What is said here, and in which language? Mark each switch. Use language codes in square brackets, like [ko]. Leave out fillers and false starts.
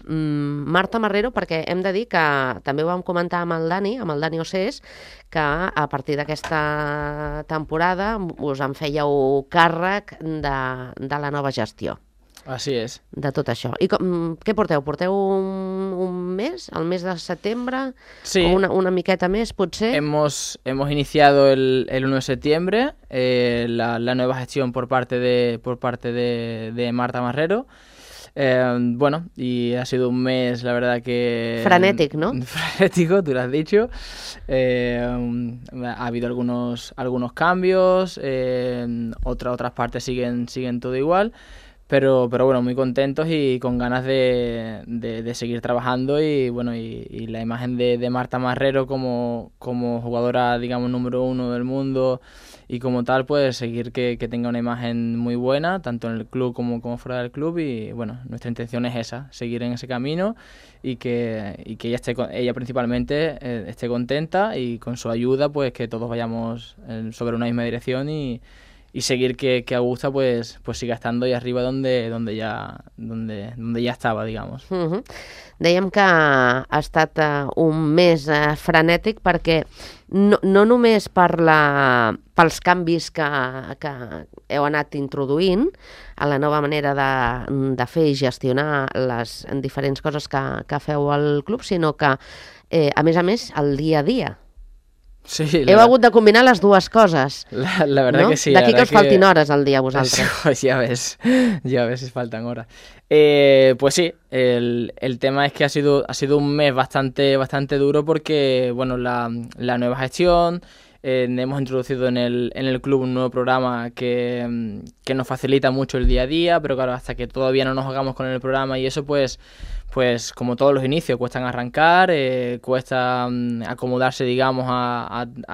[ca] Marta Marrero, perquè hem de dir que també ho vam comentar amb el Dani Ossés, que a partir d'aquesta temporada us en fèieu càrrec de la nova gestió. Així és. De tot això. I què porteu? Porteu un mes? El mes de setembre? Sí. O una miqueta més, potser? [es] Hemos iniciado el 1 de [ca] setembre la nova gestió [es] por parte de Marta Marrero. Bueno, y ha sido un mes, la verdad que... Frenético, ¿no? Frenético, tú lo has dicho. Ha habido algunos cambios, otras partes siguen todo igual, pero bueno, muy contentos y con ganas de seguir trabajando y bueno, y la imagen de Marta Marrero como jugadora, digamos, número uno del mundo y como tal, pues seguir que tenga una imagen muy buena, tanto en el club como fuera del club y bueno, nuestra intención es esa, seguir en ese camino y que ella esté principalmente esté contenta y con su ayuda, pues que todos vayamos sobre una misma dirección y seguir que Augusta pues siga estando ahí arriba donde ya estaba, digamos. [ca] Dèiem que ha estat un mes frenètic perquè no només pels canvis que heu anat introduint a la nova manera de fer i gestionar les diferents coses que feu al club, sinó que, a més, el dia a dia. Sí, heu hagut de combinar les dues coses. [es] La verdad, ¿no? Que sí. [ca] D'aquí que us faltin hores al dia a vosaltres. Ja ves si falten hores. [es] Pues sí, el tema es que ha sido un mes bastante, bastante duro porque, bueno, la nueva gestión, hemos introducido en el club un nuevo programa que nos facilita mucho el día a día, pero claro, hasta que todavía no nos hagamos con el programa y eso, pues como todos los inicios, cuestan arrancar, cuesta acomodarse, digamos, a